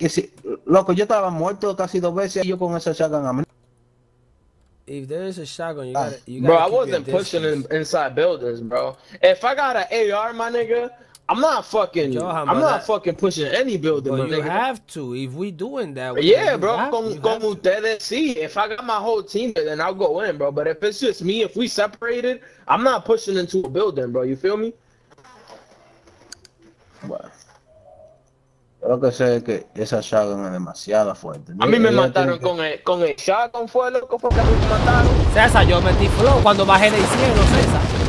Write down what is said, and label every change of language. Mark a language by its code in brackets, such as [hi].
[es] Es que si, loco, yo estaba muerto casi dos veces yo con esa shotgun. [en] If there is a shotgun, you gotta keep your distance. Bro, I wasn't pushing inside buildings, bro. If I got an AR, my nigga, I'm not fucking pushing any building. But you have to. If we doing that, yeah, bro. [es] Como ustedes, sí. [en] If I got my whole team, then I'll go in, bro. But if it's just me, if we separated, I'm not pushing into a building, bro. You feel me? [es] Bueno. Lo que sé es que esa shotgun es demasiado fuerte. A mí me mataron con el shotgun, fue loco, porque a mí me mataron. César, yo metí flow cuando bajé del cielo, César.